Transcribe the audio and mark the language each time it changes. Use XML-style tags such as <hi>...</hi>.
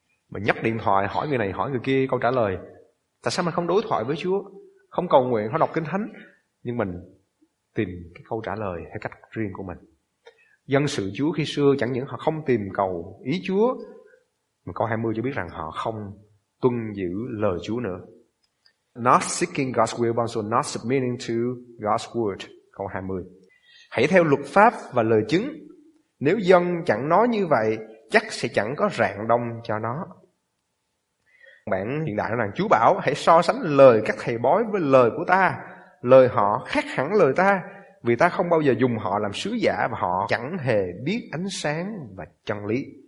<vi>Mà nhấc điện thoại hỏi người này hỏi người kia câu trả lời. Tại sao mình không đối thoại với Chúa, không cầu nguyện, không đọc kinh thánh, nhưng mình tìm cái câu trả lời theo cách riêng của mình? Dân sự Chúa khi xưa chẳng những họ không tìm cầu ý Chúa, mà câu 20 cho biết rằng họ không tuân giữ lời Chúa nữa.</vi> <en>Not seeking God's will, but also not submitting to God's word.</en> <vi>Câu 20: hãy theo luật pháp và lời chứng. Nếu dân chẳng nói như vậy, chắc sẽ chẳng có rạng đông cho nó. Bản hiện đại nói rằng Chúa bảo hãy so sánh lời các thầy bói với lời của ta. Lời họ khác hẳn lời ta, vì ta không bao giờ dùng họ làm sứ giả, và họ chẳng hề biết ánh sáng và chân lý.</vi>